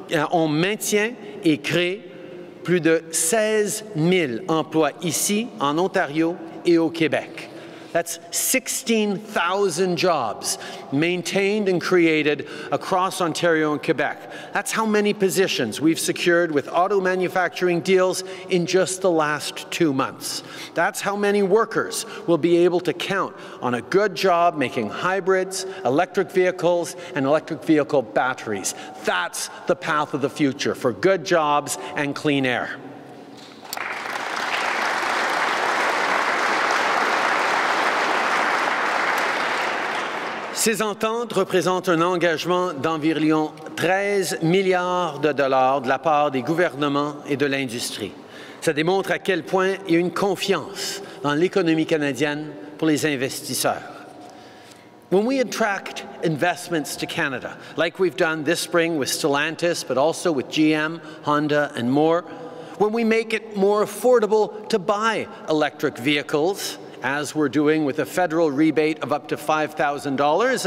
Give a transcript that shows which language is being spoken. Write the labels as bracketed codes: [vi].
[fr] On maintient et crée plus de 16 000 emplois ici, en Ontario et au Québec. [en] That's 16,000 jobs maintained and created across Ontario and Quebec. That's how many positions we've secured with auto manufacturing deals in just the last 2 months. That's how many workers will be able to count on a good job making hybrids, electric vehicles, and electric vehicle batteries. That's the path of the future for good jobs and clean air. [fr] Ces ententes représentent un engagement d'environ 13 milliards de dollars de la part des gouvernements et de l'industrie. Ça démontre à quel point il y a une confiance dans l'économie canadienne pour les investisseurs. [en] When we attract investments to Canada, like we've done this spring with Stellantis, but also with GM, Honda and more, when we make it more affordable to buy electric vehicles as we're doing with a federal rebate of up to $5,000.